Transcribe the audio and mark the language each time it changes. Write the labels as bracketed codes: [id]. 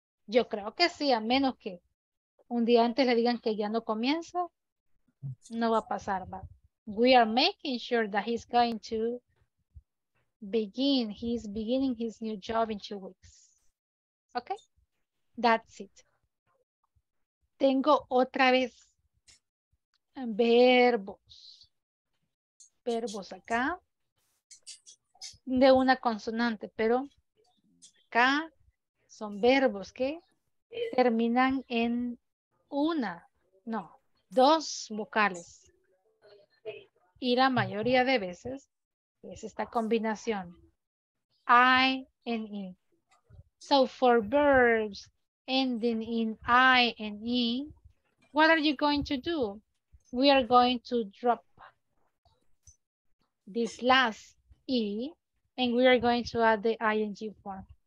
[es] Yo creo que sí, a menos que un día antes le digan que ya no comienza. No va a pasar. [en] But we are making sure that he's going to begin, he's beginning his new job in 2 weeks. Okay, that's it. [es] Tengo otra vez verbos acá de una consonante, pero acá son verbos que terminan en una, no, dos vocales. Y la mayoría de veces es esta combinación. [en] I and E. So for verbs ending in I and E, what are you going to do? We are going to drop this last E and we are going to add the ing form.